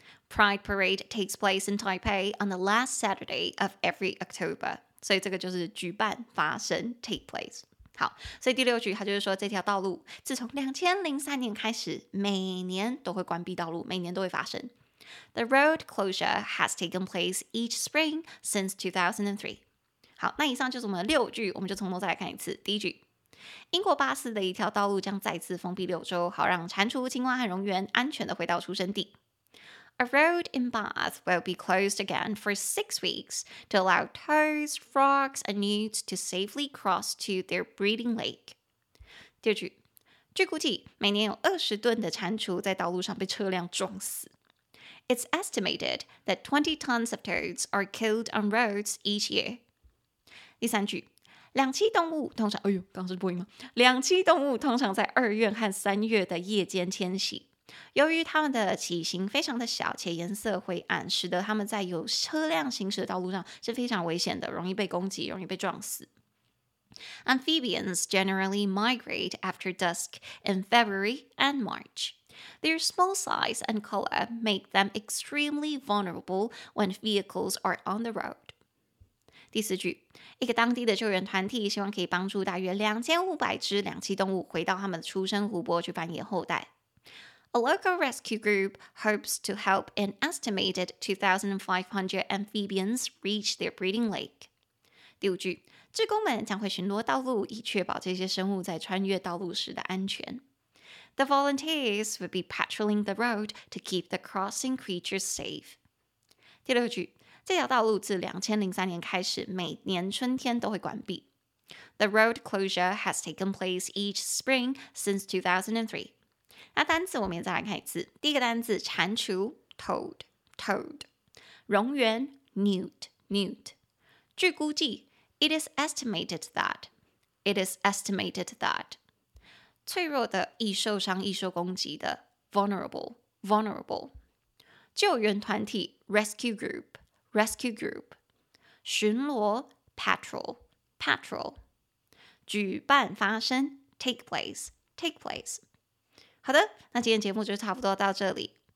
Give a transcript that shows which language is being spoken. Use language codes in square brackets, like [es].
[en] Pride Parade takes place in Taipei on the last Saturday of every October. [zh] 所以这个就是举办、发生、take place. 好，所以第六句它就是说，这条道路自从2003年开始，每年都会关闭道路，每年都会发生。 [en] The road closure has taken place each spring since 2003. [zh] 好，那以上就是我们的六句，我们就从头再来看一次。第一句。英国巴士的一条道路将再次封闭六周，好让蟾蜍、青蛙和蝾螈安全地回到出生地。 [en] A road in Bath will be closed again for 6 weeks to allow toads, frogs, and newts to safely cross to their breeding lake. [zh] 第二句，据估计，每年有20吨的蟾蜍在道路上被车辆撞死。 [en] It's estimated that 20 tons of toads are killed on roads each year. [zh] 第三句，两栖动物通常，哎呦，刚是播音吗？两栖动物通常在二月和三月的夜间迁徙。由于它们的体型非常的小且颜色灰暗，使得它们在有车辆行驶的道路上是非常危险的，容易被攻击，容易被撞死。 [en] Amphibians generally migrate after dusk in February and March. Their small size and color make them extremely vulnerable when vehicles are on the road. [zh] 第四句，一个当地的救援团体希望可以帮助大约2500只两栖动物回到它们的出生湖泊去繁衍后代。 [en] A local rescue group hopes to help an estimated 2,500 amphibians reach their breeding lake. [zh] 第五句，志工们将会巡逻道路，以确保这些生物在穿越道路时的安全。 [en] The volunteers would be patrolling the road to keep the crossing creatures safe. [zh] 第六句，这条道路自2003年开始，每年春天都会关闭。 [en] The road closure has taken place each spring since 2003. [zh] 那单字我们也再来看一次。第一个单字蟾蜍 toad, 蝾螈 newt, 据估计 [en] it is estimated that, [zh] 脆弱的，易受伤，易受攻击的 vulnerable, 救援团体 rescue group, 巡逻 patrol, 举办发生 take place,好的，那今天节目就差不多到这里。